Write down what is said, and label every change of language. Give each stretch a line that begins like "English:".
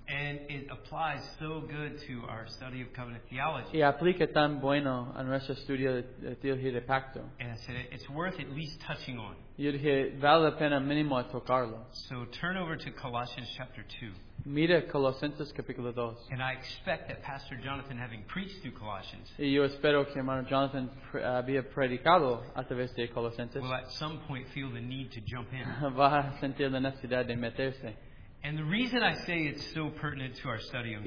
English: And it applies so good to our study of covenant theology.
Spanish: Y aplica tan bueno a nuestro estudio de teología de pacto.
English: And I said it's worth at least touching on.
Spanish: Yo dije vale la pena mínimo tocarlo.
English: So turn over to Colossians chapter 2.
Spanish: Mira Colosenses capítulo 2.
English: And I expect that Pastor Jonathan, having preached through Colossians,
Spanish: y yo espero que hermano Jonathan había predicado a través de Colosenses,
English: will at some point feel the need to jump in.
Spanish: Va a sentir la necesidad de meterse.
English: And the reason I say it's so pertinent to our study of